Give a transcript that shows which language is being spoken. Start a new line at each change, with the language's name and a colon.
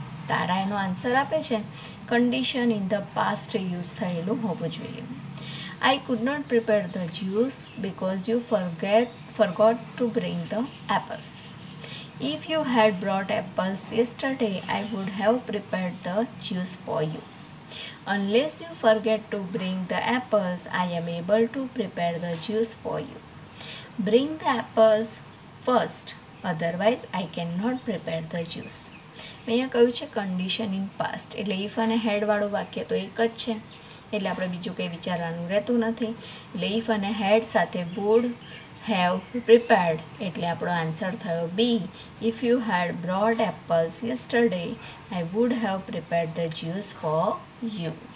Gujarati: તારા એનો આન્સર આપે છે,
English: condition in the past use
Gujarati: થયેલું હોવું જોઈએ.
English: I could not prepare the juice because you forgot to bring the apples. If you had brought apples yesterday I would have prepared the juice for you. Unless you forget to bring the apples, I am able to prepare the juice for you. Bring the apples first, otherwise I cannot prepare the juice.
Gujarati: મેં અહીંયા કહ્યું છે
English: condition in past,
Gujarati: એટલે if અને હેડવાળું વાક્ય તો એક જ છે, એટલે આપણે બીજું કંઈ વિચારવાનું રહેતું નથી. એટલે ઇફ અને હેડ સાથે
English: would have prepared,
Gujarati: એટલે આપણો આન્સર થયો બી.
English: If you had brought apples yesterday, I would have prepared the juice for you.